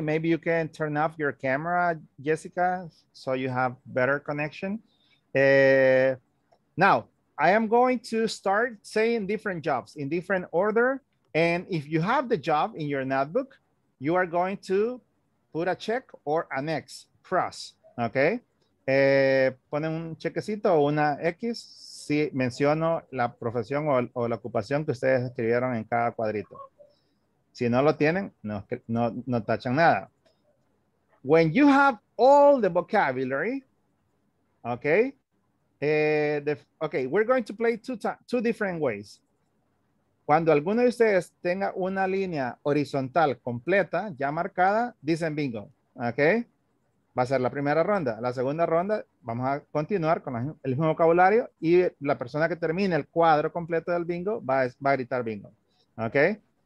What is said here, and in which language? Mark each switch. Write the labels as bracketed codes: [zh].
[en] Maybe you can turn off your camera, Jessica, so you have better connection. Now, I am going to start saying different jobs in different order. And if you have the job in your notebook, you are going to put a check or an X, cross, okay? [es] Ponen un chequecito o una X si menciono la profesión o la ocupación que ustedes escribieron en cada cuadrito. Si no lo tienen, no tachan nada. [en] When you have all the vocabulary, okay? Okay, we're going to play two different ways. [es] Cuando alguno de ustedes tenga una línea horizontal completa, ya marcada, dicen bingo, okay? Va a ser la primera ronda. La segunda ronda, vamos a continuar con el mismo vocabulario y la persona que termine el cuadro completo del bingo va a gritar bingo, okay?